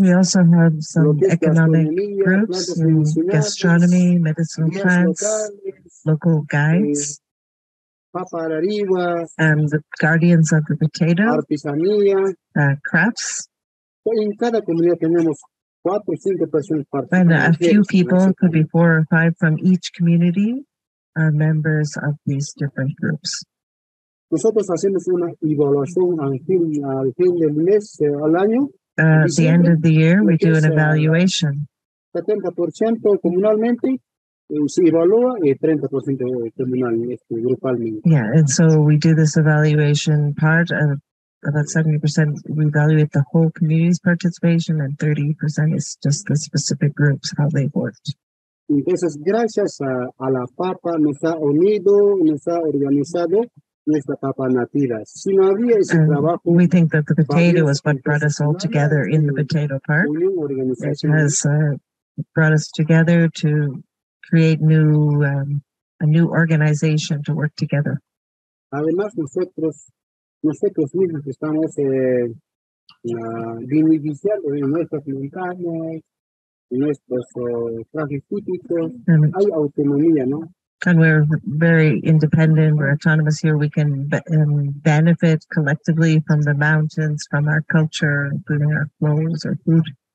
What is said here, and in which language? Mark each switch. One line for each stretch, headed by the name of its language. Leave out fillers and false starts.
English: We also have some economic groups, gastronomy, medicinal plants, local guides, and the guardians of the potato, crafts. And a few people, could be four or five from each community, are members of these different groups.
Spanish: Nosotros hacemos una evaluación al fin del mes, al año.
English: At the end of the year, we do an evaluation.
Spanish: 70% comunalmente se evalúa y 30% comunalmente, grupalmente.
English: Yeah, and so we do this evaluation part of about 70%. We evaluate the whole community's participation and 30% is just the specific groups, how they've worked.
Spanish: Entonces, gracias a la Papa, nos ha unido, nos ha organizado.
English: We think that the potato is what brought us all together in the potato park. It has brought us together to create a new organization to work together.
Spanish: Además, nosotros mismos estamos dinamizando en nuestras montañas, en nuestros trajes típicos. Hay autonomía, ¿no?
English: And we're very independent, we're autonomous here. We can benefit collectively from the mountains, from our culture, including our clothes, our food.